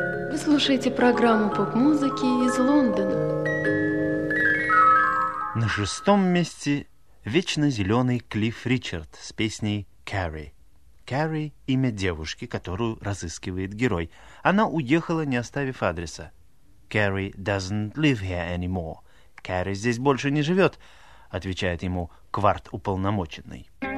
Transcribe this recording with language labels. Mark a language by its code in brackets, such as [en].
[ru] Вы слушаете программу поп-музыки из Лондона. На 6 месте вечно зеленый Клифф Ричард с песней Carrie. Кэрри, имя девушки, которую разыскивает герой. Она уехала, не оставив адреса. [en] «Кэрри doesn't live here anymore». [ru] «Кэрри здесь больше не живет», — отвечает ему кварт уполномоченный.